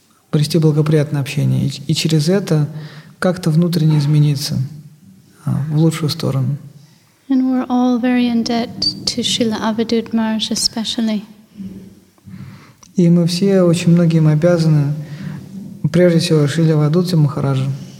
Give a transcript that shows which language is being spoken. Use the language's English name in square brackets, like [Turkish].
[Russian] обрести благоприятное общение и через это как-то внутренне измениться в лучшую сторону. [English] And we're all very in debt to Srila Avadhut Maharaj especially. [Russian] И мы все, очень многим обязаны, прежде всего, Шриле Авадхуте Махараджу.